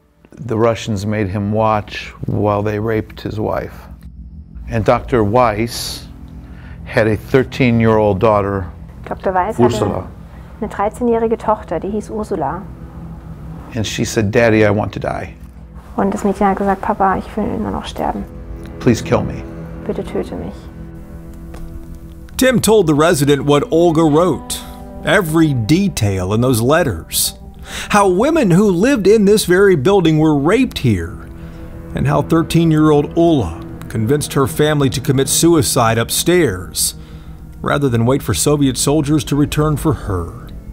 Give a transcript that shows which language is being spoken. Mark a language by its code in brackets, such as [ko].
[en] The Russians made him watch while they raped his wife. And Dr. Weiss had a 13-year-old daughter, Dr. Weiss Ursula. [de] Eine 13-jährige Tochter, die hieß Ursula. [en] And she said, "Daddy, I want to die." [de] Und das Mädchen hat gesagt, "Papa, ich will nur noch sterben." [en] "Please kill me." [de] Bitte töte mich. [en] Tim told the resident what Olga wrote, every detail in those letters, how women who lived in this very building were raped here, and how 13-year-old Ulla convinced her family to commit suicide upstairs rather than wait for Soviet soldiers to return for her.